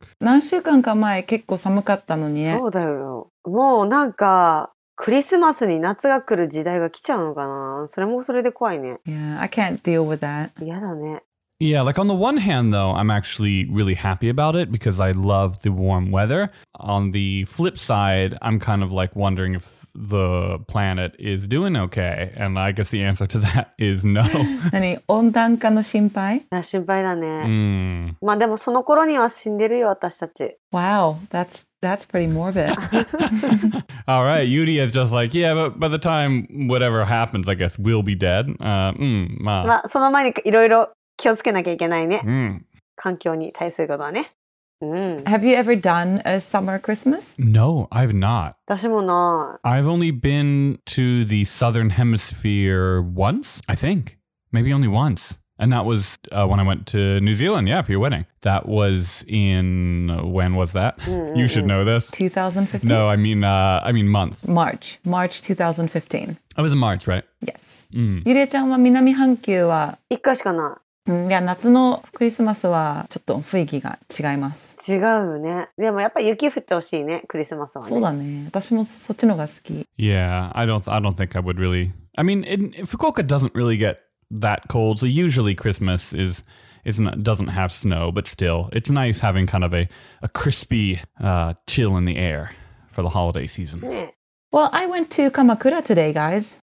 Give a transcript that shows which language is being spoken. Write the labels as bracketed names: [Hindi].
[Japanese] 何週間か前結構寒かったのにね。そうだよ。もうなんかクリスマスに夏が来る時代が来ちゃうのかな。それもそれで怖いね。 [English] Yeah, I can't deal with that. [Japanese] 嫌だね。 [English] Yeah, like on the one hand, though, I'm actually really happy about it because I love the warm weather. On the flip side, I'm kind of like wondering if the planet is doing okay. And I guess the answer to that is no. [Japanese] 何?温暖化の心配? いや、心配だね。 Mm. まあでもその頃には死んでるよ、私たち。 [English] Wow, that's pretty morbid. All right, Yuri is just like, yeah, but by the time whatever happens, I guess we'll be dead. [Japanese] まあその前にいろいろ気をつけなきゃいけないね。環境に対することはね。 [English] Have you ever done a summer Christmas? No, I've not. [Japanese] 私もない。 [English] I've only been to the Southern Hemisphere once, I think. Maybe only once. And that was、when I went to New Zealand, yeah, for your wedding. That was in, when was that? You should know this. 2015? No, I mean month. March. March 2015. It was in March, right? Yes. [Japanese] Yurie-chan は南半球は一回しかない。いや夏のクリスマスはちょっと雰囲気が違います。違うね。でもやっぱ雪降ってほしいね、クリスマスはね。そうだね。私もそっちのが好き。 [English] Yeah, I don't think I would really... I mean, Fukuoka doesn't really get that cold, so usually Christmas doesn't have snow, but still, it's nice having kind of a crispy, chill in the air for the holiday season. [Japanese] ね。 [English] Well, I went to Kamakura today, guys.